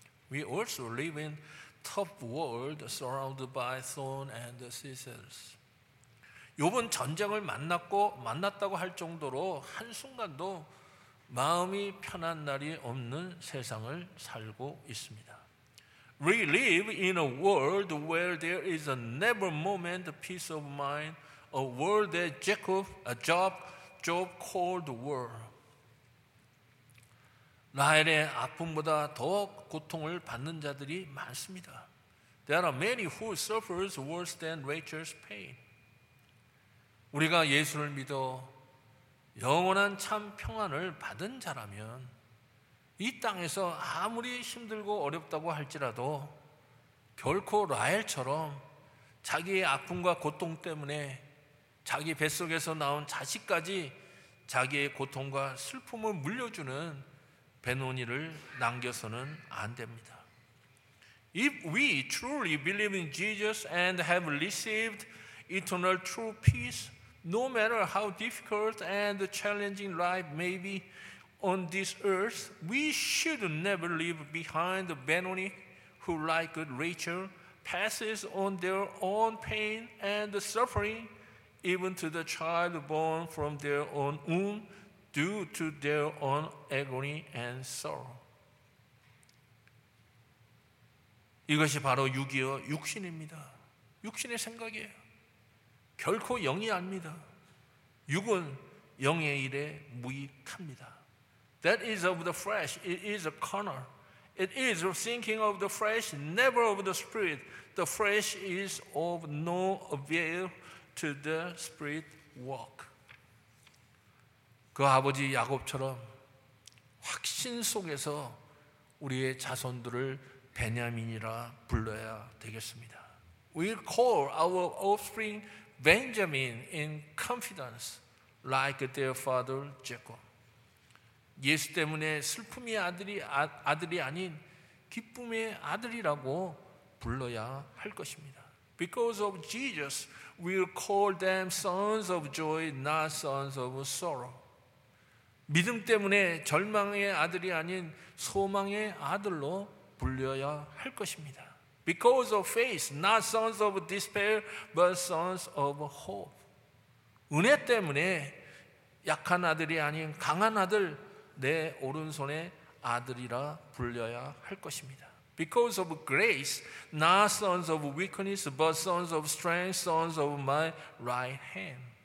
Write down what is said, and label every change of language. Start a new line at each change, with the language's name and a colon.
English: We also live in tough world surrounded by thorn and thistles.
Korean: 욥은 전쟁을 만났다고 할 정도로 한순간도 마음이 편한 날이 없는 세상을 살고 있습니다.
English: We live in a world where there is a never moment peace of mind, a world that Job called world.
Korean: 라헬의 아픔보다 더 고통을 받는 자들이 많습니다.
English: There are many who suffer worse than Rachel's pain.
Korean: 우리가 예수를 믿어 영원한 참 평안을 받은 자라면 이 땅에서 아무리 힘들고 어렵다고 할지라도 결코 라헬처럼 자기의 아픔과 고통 때문에 자기 뱃속에서 나온 자식까지 자기의 고통과 슬픔을 물려주는 베노니를 남겨서는 안 됩니다.
English: If we truly believe in Jesus and have received eternal true peace, no matter how difficult and challenging life may be on this earth, we should never leave behind the Benoni who, like Rachel, passes on their own pain and suffering, even to the child born from their own womb, due to their own agony and sorrow.
Korean: 이것이 바로 6.25 육신입니다. 육신의 생각이에요. 결코 영이 아닙니다. 육은 영의 일에 무익합니다.
English: That is of the flesh. It is a carnal. It is thinking of the flesh, never of the spirit. The flesh is of no avail to the spirit work.
Korean: 그 아버지 야곱처럼 확신 속에서 우리의 자손들을 베냐민이라 불러야 되겠습니다.
English: We call our offspring Benjamin in confidence, like their father Jacob.
Korean: 예수 때문에 슬픔의 아들이 아들이 아닌 기쁨의 아들이라고 불러야 할 것입니다.
English: Because of Jesus, we'll call them sons of joy, not sons of sorrow.
Korean: 믿음 때문에 절망의 아들이 아닌 소망의 아들로 불려야 할 것입니다.
English: Because of faith, not sons of despair, but sons of hope.
Korean: 은혜 때문에 약한 아들이 아닌 강한 아들, 내 오른손의 아들이라 불려야 할 것입니다.
English: Because of grace, not sons of weakness, but sons of strength, sons of my right hand.